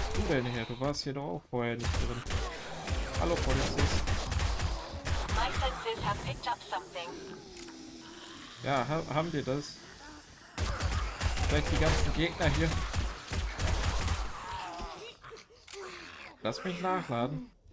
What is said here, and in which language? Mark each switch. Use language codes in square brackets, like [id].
[de] Her. Du warst hier doch auch vorher nicht drin. Hallo Polizist. [en] My senses have picked up something. [de] Ja, haben wir das? Vielleicht die ganzen Gegner hier. Lass mich nachladen.